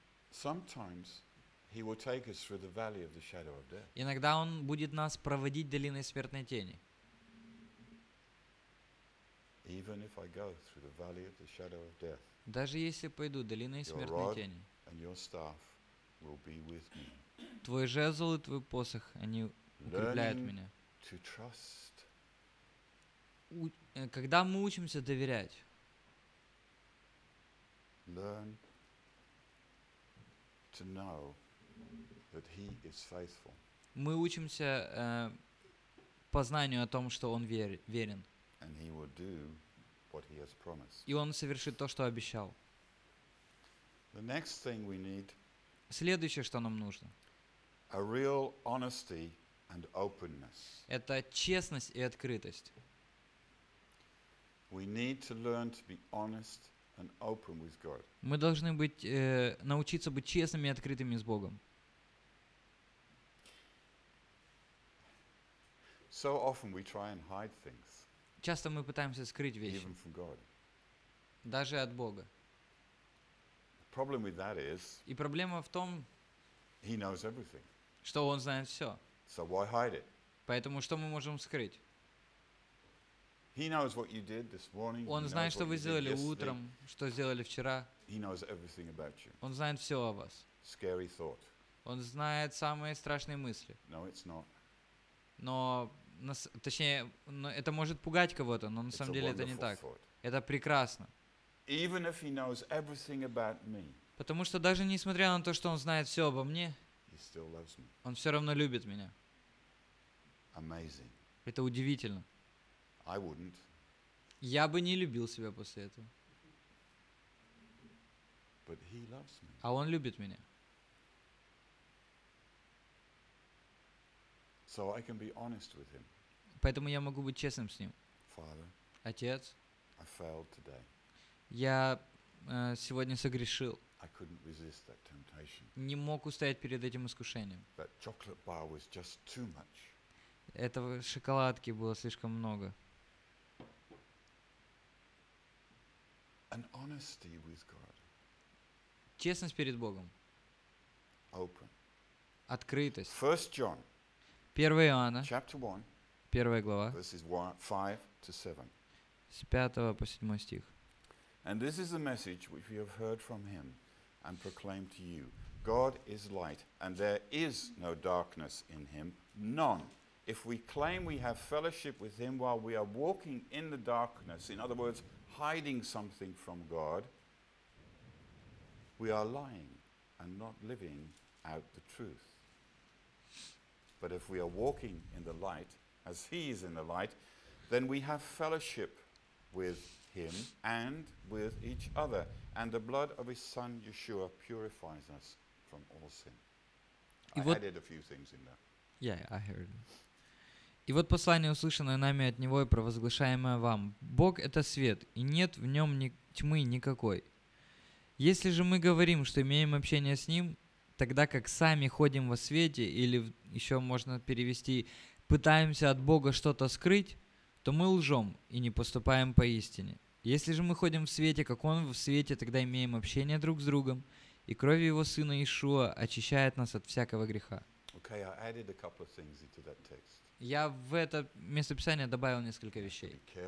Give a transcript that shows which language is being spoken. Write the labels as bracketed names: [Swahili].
[English] Sometimes He will take us through the valley of the shadow of death. [Russian] Иногда Он будет нас проводить долиной смертной тени. [English] Even if I go through the valley of the shadow of death. [Russian] Даже если пойду долиной смертной тени. [English] Your rod and your staff will be with me. [Russian] Твой жезл и твой посох, они укрепляют меня. [English] Learning to trust. [Russian] Когда мы учимся доверять. [English] Learn to know. That He is faithful. [Russian] Мы учимся познанию о том, что Он верен. [English] And He will do what He has promised. [Russian] И Он совершит то, что обещал. [English] The next thing we need. [Russian] Следующее, что нам нужно. [English] A real honesty and openness. [Russian] Это честность и открытость. [English] We need to learn to be honest and open with God. [Russian] Мы должны быть научиться быть честными и открытыми с Богом. [English] So often we try and hide things. [Russian] Часто мы пытаемся скрыть вещи. [English] Even from God. [Russian] Даже от Бога. [English] The problem with that is. [Russian] И проблема в том. [English] He knows everything. [Russian] Что Он знает все. [English] So why hide it? [Russian] Поэтому что мы можем скрыть? [English] He knows what you did this morning. [Russian] Он знает, что вы сделали утром, что сделали вчера. [English] He knows everything about you. [Russian] Он знает все о вас. [English] Scary thought. [Russian] Он знает самые страшные мысли. [English] No, it's not. [Russian] Но, точнее, это может пугать кого-то, но на самом деле это не так. Это прекрасно. [English] Even if he knows everything about me, [Russian] потому что даже несмотря на то, что он знает все обо мне, [English] he still loves me. [Russian] Он все равно любит меня. [English] Amazing. [Russian] Это удивительно. [English] I wouldn't. [Russian] Я бы не любил себя после этого. [English] But he loves me. [Russian] А он любит меня. [English] So I can be honest with him. [Russian] Поэтому я могу быть честным с ним. [English] Father, [Russian] отец, [English] I failed today. [Russian] Я сегодня согрешил. [English] I couldn't resist that temptation. [Russian] Не мог устоять перед этим искушением. [English] That chocolate bar was just too much. [Russian] Этого шоколадки было слишком много. [English] An honesty with God. [Russian] Честность перед Богом. [English] Open. [Russian] Открытость. [English] First John. [Russian] 1 Иоанна, [English] Chapter 1, [Russian] 1 глава, [English] verses 5-7. [Russian] С 5 по 7 стих. [English] And this is the message which we have heard from him and proclaimed to you. God is light, and there is no darkness in him, none If we claim we have fellowship with him while we are walking in the darkness, in other words, hiding something from God, we are lying and not living out the truth. But if we are walking in the light, as he is in the light, then we have fellowship with him and with each other. And the blood of his son, Yeshua, purifies us from all sin. I added a few things in there. Yeah, I heard it. [Russian] И вот послание, услышанное нами от Него и провозглашаемое вам. Бог — это свет, и нет в Нем ни тьмы никакой. Если же мы говорим, что имеем общение с Ним, тогда как сами ходим во свете, или еще можно перевести, пытаемся от Бога что-то скрыть, то мы лжем и не поступаем поистине. Если же мы ходим в свете, как Он в свете, тогда имеем общение друг с другом, и кровь Его Сына Иешуа очищает нас от всякого греха. [English] Okay, I added a couple of things into that text. [Russian] Я в это местописание добавил несколько вещей.